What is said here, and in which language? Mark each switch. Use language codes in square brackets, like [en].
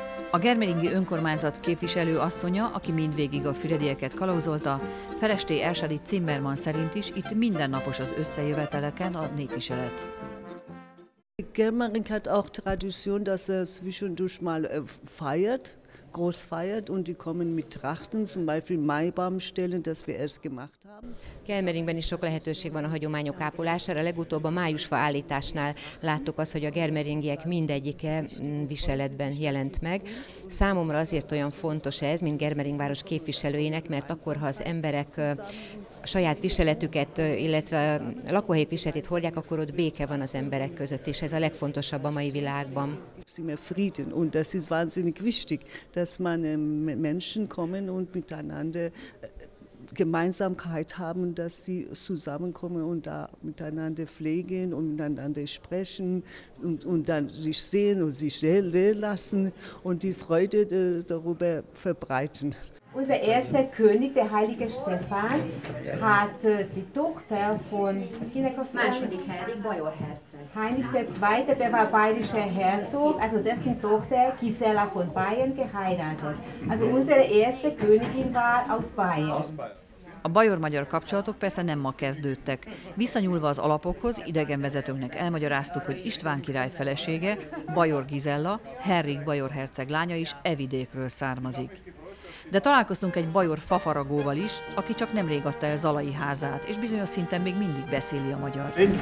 [hu] A germeringi önkormányzat képviselő asszonya, aki mindvégig a fürediéket kalauzolta, Feresté Ersadi Zimmermann szerint is itt mindennapos az összejöveteleken a népviselet. [de] Germering hat auch Tradition, dass er zwischendurch mal feiert, groß feiert, und die kommen mit Trachten, zum Beispiel Maibaumstellen, das wir erst gemacht haben. [hu] Germeringben is sok lehetőség van a hagyományok ápolására. Legutóbb a májusfa állításnál láttuk azt, hogy a germeringiek mindegyike viseletben jelent meg. Számomra azért olyan fontos ez, mint Germeringváros képviselőjének, mert akkor, ha az emberek saját viseletüket, illetve lakóhelyi viseletét hordják, akkor ott béke van az emberek között, és ez a legfontosabb a mai világban. [de] Sie mehr Frieden und das ist wahnsinnig wichtig, dass man Menschen kommen und miteinander Gemeinsamkeit haben, dass sie zusammenkommen und da miteinander pflegen und miteinander sprechen und dann sich sehen und sich sehen lassen und die Freude darüber verbreiten. Unser erster König, der heilige Stefan, hat die Tochter von Heinrich II. Bayerherzog. Heinrich II., der war bayerischer Herzog, also dessen Tochter Gisela von Bayern geheiratet. Also unsere erste Königin war aus Bayern. [hu] A bajor-magyar kapcsolatok persze nem ma kezdődtek. Visszanyúlva az alapokhoz, idegenvezetőnknek elmagyaráztuk, hogy István király felesége, Bajor Gizella, Henrik bajor herceg lánya is e vidékről származik. De találkoztunk egy bajor fafaragóval is, aki csak nemrég adta el Zalai házát, és bizonyos szinten még mindig beszéli a magyar.